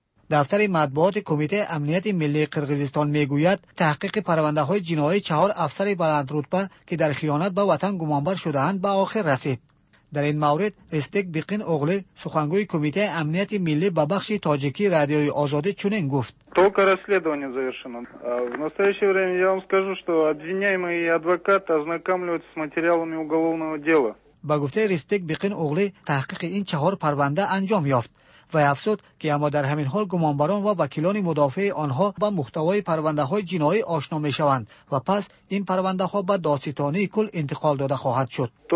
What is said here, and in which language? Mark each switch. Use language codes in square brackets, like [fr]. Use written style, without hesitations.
[fa] دفتر مطبوعات کمیته امنیت ملی قرقیزستان میگوید تحقیق پرونده های جنایی چهار افسر بلندرتبه که در خیانت به وطن گمانبر شده اند به آخر رسید. در این مورد رستگ بیقین اوغلی سخنگوی کمیته امنیت ملی به بخش تاجیکی رادیوی آزادی چنین گفت: [ru] Только расследование завершено. В настоящее время я вам скажу, что обвиняемый и адвокат ознакомляются с материалами уголовного дела. [fa] با گفته رستگ بیقین اوغلی تحقیق این چهار پرونده انجام یافت و افسود که اما در همین حال گمانبران و وکیلان مدافع آنها با محتوای پرونده های جنایی آشنا می شوند و پس این پرونده ها به دادستانی کل انتقال داده خواهد شد.